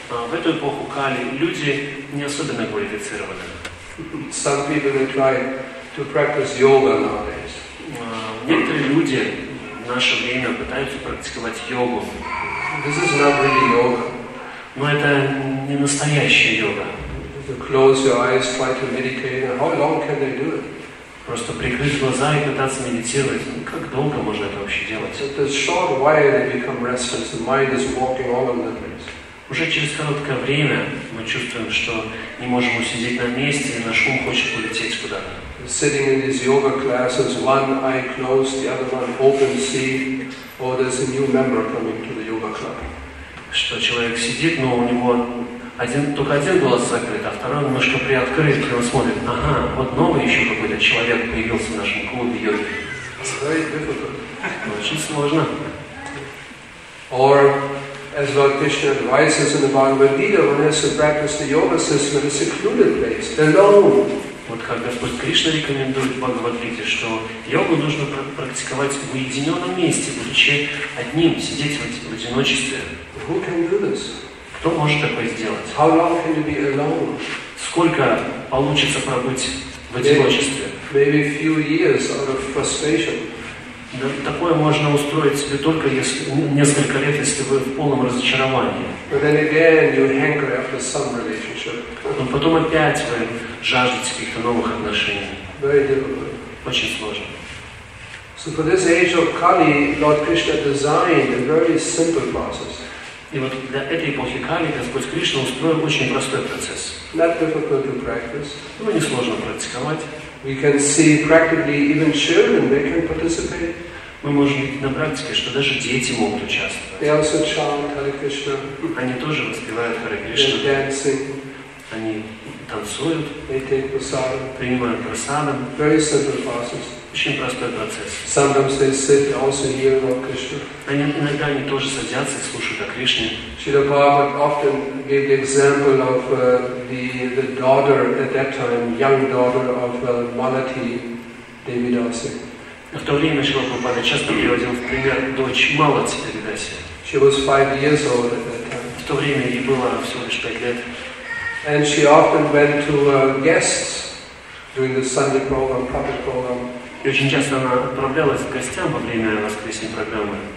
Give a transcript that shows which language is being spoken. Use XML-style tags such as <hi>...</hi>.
<ru>В эту эпоху Кали люди не особенно квалифицированы.</ru> <en>Some people try to practice yoga nowadays.</en> <ru>Некоторые люди в наше время пытаются практиковать йогу.</ru> <en>This is not really yoga.</en> <ru>Но это не настоящая йога.</ru> <en>You close your eyes, try to meditate. How long can they do it?</en> <ru>Просто прикрыть глаза и пытаться медитировать. Ну, как долго можно это вообще делать?</ru> <en>It is short while they become restless. The mind is walking all over the place.</en> <ru>Уже через короткое время мы чувствуем, что не можем усидеть на месте, и наш ум хочет улететь куда-то.</ru> <en>Sitting in these yoga classes, one eye closed, the other one open, see, or there's a new member coming to the yoga club.</en> <ru>Что человек сидит, но у него только один глаз закрыт, а второй немножко приоткрыт, и он смотрит, ага, вот новый еще какой-то человек появился в нашем клубе йоги.</ru> <en>It's very difficult.</en> <ru>Очень сложно.</ru> <en>Or as Lord Krishna advises in the Bhagavad Gita, one has to practice the yoga system in a secluded place, alone.</en> <ru>Вот как Господь Кришна рекомендует в Бхагавад Гите, что йогу нужно практиковать в уединенном месте, будучи одним, сидеть в одиночестве.</ru> <en>Who can do this?</en> <ru>Кто может такое сделать?</ru> <en>How long can you be alone?</en> <ru>Сколько получится пробыть в одиночестве?</ru> <en>Maybe a few years out of frustration.</en> <ru>Да, такое можно устроить себе только если, несколько лет, если вы в полном разочаровании.</ru> <en>But then again, you hanker after some relationship.</en> <ru>Но потом опять вы жаждете каких-то новых отношений.</ru> <en>Very difficult.</en> <ru>Очень сложно.</ru> <en>So So for this age of Kali, Lord Krishna designed a very simple process.</en> <ru>И вот для этой эпохи Кали Господь Кришна устроил очень простой процесс.</ru> <en>Not difficult to practice.</en> <ru>Его несложно практиковать.</ru> <en>We can see practically even children, they can participate.</en> <ru>Мы можем видеть на практике, что даже дети могут участвовать.</ru> <en>They also chant Hare Krishna.</en> <ru>Они тоже воспевают Харе Кришну.</ru> <en>They're dancing.</en> <ru>Они танцуют.</ru> <en>They take prasadam.</en> <ru>Принимают прасадам.</ru> <en>Very simple process.</en> <ru>Очень простой процесс.</ru> <en>Sometimes they sit also hear Lord Krishna.</en> <ru>Они иногда они тоже садятся и слушают о Кришне.</ru> <en>Srila Prabhupada often gave the example of the daughter at that time, young daughter of Malati Devidasi.</en> <ru>В то время Srila Prabhupada часто приводил в пример дочь Малати Девидаси.</ru> <en>She was 5 years old at that time.</en> <ru>В то время ей было всего лишь 5 лет.</ru> <en>And she often went to guests during the Sunday program, public program.</en> <ru>И очень часто она отправлялась к гостям во время воскресной программы.</ru>